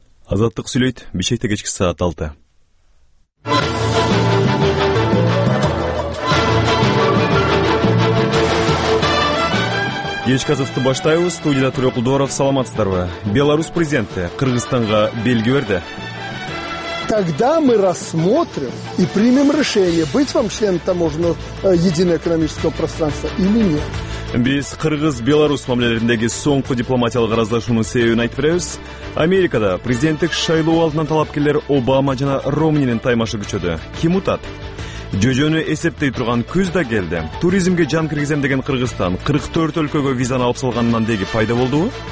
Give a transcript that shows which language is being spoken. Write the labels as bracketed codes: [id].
[ky] Азаттык сүйлөйт, Бишкекте кечки саат 6. Кеч Казакстан баштайбыз. Студияда Төрөк Кулдоров, саламатсыздарбы? Беларусь президенти Кыргызстанга белги берди. [ru] Когда мы рассмотрим и примем решение, быть вам членом таможенного единого экономического пространства или нет. [ky] Биз Кыргыз-Беларусь мамилелериндеги соңку дипломатиялык аралашуунун себебин айтып беребиз. Америкада президенттик шайлоо алдынан талапкерлер Обама жана Ромнинин таймашы күчөдү. Ким утат? Жөжөнү эсептей турган күз да келди. Туризмге жан киргизем деген Кыргызстан 44 өлкөгө визаны алып салганынан деги пайда болдубу?